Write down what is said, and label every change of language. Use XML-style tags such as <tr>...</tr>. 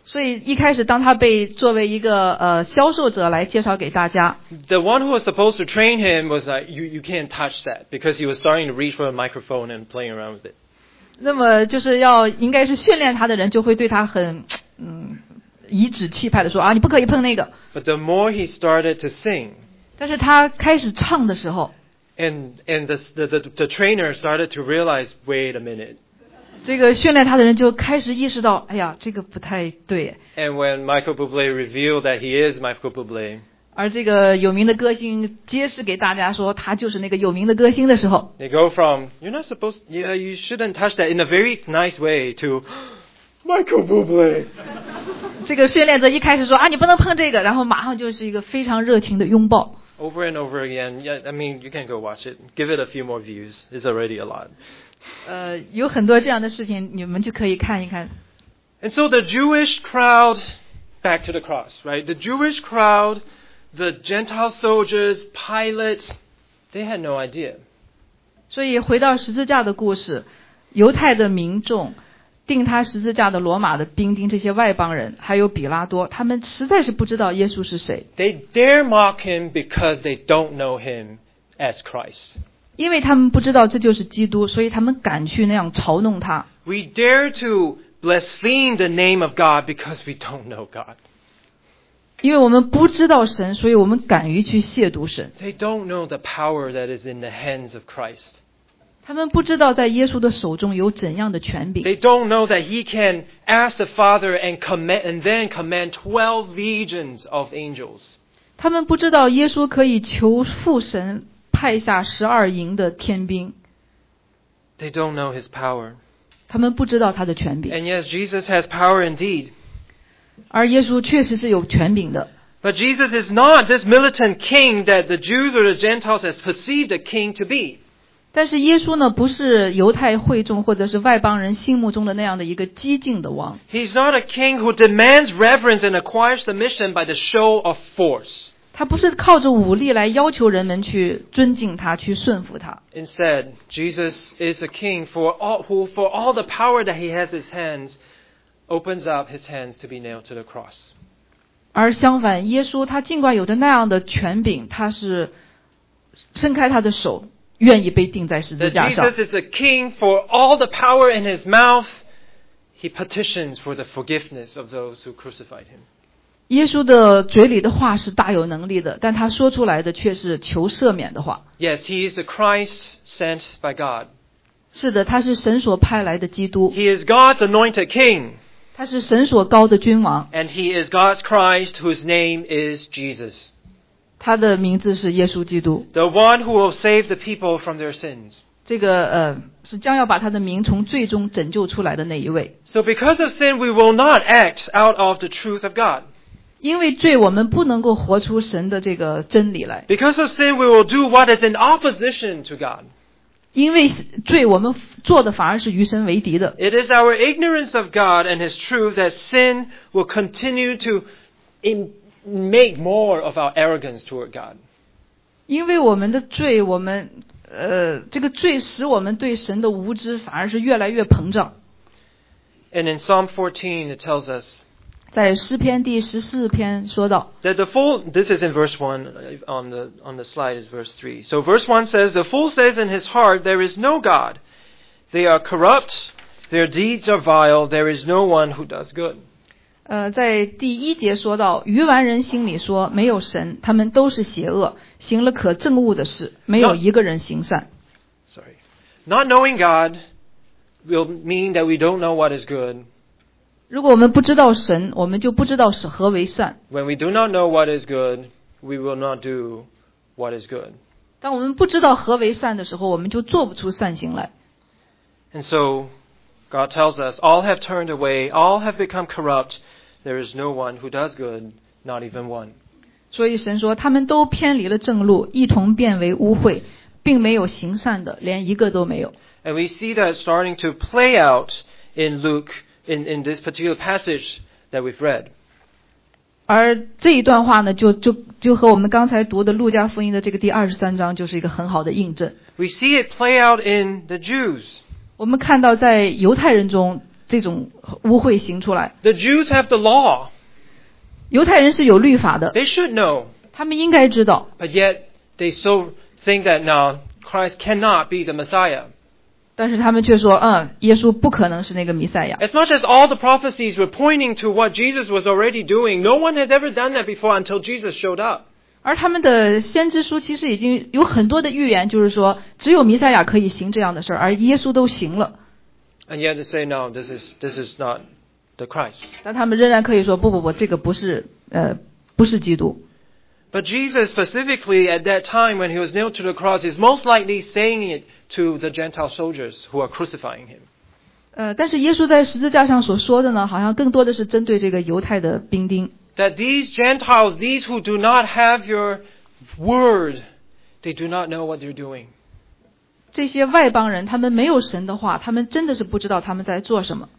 <zh>所以一开始当他被作为一个销售者来介绍给大家</zh> <en>，the one who was supposed to train him was like you can't touch that because he was starting to reach for a microphone and playing around with it.</en> <zh>那么就是要应该是训练他的人就会对他很颐指气派的说啊你不可以碰那个。</zh> <en>But the more he started to sing,</en> <zh>但是他开始唱的时候</zh> <en>，and the trainer started to realize wait a minute.</en> <zh>这个训练他的人就开始意识到，哎呀，这个不太对。</zh> <en>And when Michael Bublé revealed that he is Michael Bublé,</en> <zh>而这个有名的歌星揭示给大家说他就是那个有名的歌星的时候</zh> <en>，they go from you're not supposed, yeah, you shouldn't touch that in a very nice way to Michael Bublé.</en> <zh>这个训练者一开始说啊，你不能碰这个，然后马上就是一个非常热情的拥抱。</zh> <en>Over and over again, yeah, I mean, you can go watch it. Give it a few more views. It's already a lot.</en> <zh>有很多这样的视频，你们就可以看一看。</zh> <en>And so the Jewish crowd, back to the cross, right? The Jewish crowd, the Gentile soldiers, Pilate, they had no idea.</en> <zh>所以回到十字架的故事，犹太的民众，钉他十字架的罗马的兵丁，这些外邦人，还有比拉多，他们实在是不知道耶稣是谁。</zh> <en>They dare mock him because they don't know him as Christ.</en> <zh>因为他们不知道这就是基督，所以他们敢去那样嘲弄他。</zh> <en>We dare to blaspheme the name of God because we don't know God.</en> <zh>因为我们不知道神，所以我们敢于去亵渎神。</zh> <en>They don't know the power that is in the hands of Christ.</en> <zh>他们不知道在耶稣的手中有怎样的权柄。</zh> <en>They don't know that he can ask the Father and command, and then command 12 legions of angels.</en> <zh>他们不知道耶稣可以求父神派下十二营的天兵。</zh> <en>They don't know his power.</en> <zh>他们不知道他的权柄。</zh> <en>And yes, Jesus has power indeed.</en> <zh>而耶稣确实是有权柄的。</zh> <en>But Jesus is not this militant king that the Jews or the Gentiles has perceived a king to be.</en> <zh>但是耶稣呢，不是犹太会众或者是外邦人心目中的那样的一个激进的王。</zh> <en>He's not a king who demands reverence and acquires submission by the show of force.</en> <zh>他不是靠着武力来要求人们去尊敬他，去顺服他。</zh> <en>Instead, Jesus is a king for all the power that he has in his hands, opens up his hands to be nailed to the cross.</en> <zh>而相反，耶稣他尽管有着那样的权柄，他是伸开他的手。愿意被钉在十字架上。</zh> <en>Jesus is a king for all the power in his mouth. He petitions for the forgiveness of those who crucified him.</en> <zh>耶稣的嘴里的话是大有能力的，但他说出来的却是求赦免的话。</zh> <en>Yes, he is the Christ sent by God.</en> <zh>是的，他是神所派来的基督。</zh> <en>He is God's anointed king.</en> <zh>他是神所高的君王。</zh> <en>And he is God's Christ whose name is Jesus.</en> <zh>他的名字是耶稣基督。</zh> <en>The one who will save the people from their sins.</en> <zh>这个是将要把他的名从最终拯救出来的那一位。</zh> <en>So because of sin, we will not act out of the truth of God.</en> <zh>因为罪，我们不能够活出神的这个真理来。</zh> <en>Because of sin, we will do what is in opposition to God.</en> <zh>因为罪，我们做的反而是与神为敌的。</zh> <en>It is our ignorance of God and His truth that sin will continue to make more of our arrogance toward God.</en> <zh>因为我们的罪，我们这个罪使我们对神的无知反而是越来越膨胀。</zh> <en>And in Psalm 14, it tells us.</en> <zh>在诗篇第十四篇说到。</zh> <en>That the fool, this is in verse 1, on the slide is verse 3. So verse 1 says, the fool says in his heart, there is no God. They are corrupt. Their deeds are vile. There is no one who does good.</en> <zh>在第一节说到，愚顽人心里说没有神，他们都是邪恶，行了可憎恶的事，没有一个人行善。</zh> <en>Sorry, not knowing God will mean that we don't know what is good.</en> <zh>如果我们不知道神，我们就不知道是何为善。</zh> <en>When we do not know what is good, we will not do what is good.</en> <zh>当我们不知道何为善的时候，我们就做不出善行来。</zh> <en>And so. God tells us, all have turned away, all have become corrupt. There is no one who does good, not even one.</en> <zh>所以神说，他们都偏离了正路，一同变为污秽，并没有行善的，连一个都没有。</zh> <en>And we see that starting to play out in Luke, in this particular passage that we've read.</en> <zh>而这一段话呢，就和我们刚才读的路加福音的这个第二十三章就是一个很好的印证。</zh> <en>We see it play out in the Jews.</en> <zh>我们看到在犹太人中这种污秽行出来。</zh> <en>The Jews have the law.</en> <zh>犹太人是有律法的。</zh> <en>They should know.</en> <zh>他们应该知道。</zh> <en>But yet they so think that now Christ cannot be the Messiah.</en> <zh>但是他们却说，耶稣不可能是那个弥赛亚。</zh> <en>As much as all the prophecies were pointing to what Jesus was already doing, no one had ever done that before until Jesus showed up.</en> <zh>而他们的先知书其实已经有很多的预言，就是说只有弥赛亚可以行这样的事，而耶稣都行了。</zh> <en>And yet they say no, this is not the Christ.</en> <zh>但他们仍然可以说不，这个不是基督。</zh> <en>But Jesus specifically at that time when he was nailed to the cross is most likely saying it to the Gentile soldiers who are crucifying him.</en> <zh>但是耶稣在十字架上所说的呢，好像更多的是针对这个犹太的兵丁。</zh> <en>That these Gentiles, these who do not have your word, they do not know what they're doing.</en> <zh>这些外邦人，他们没有神的话，他们真的是不知道他们在做什么。</zh>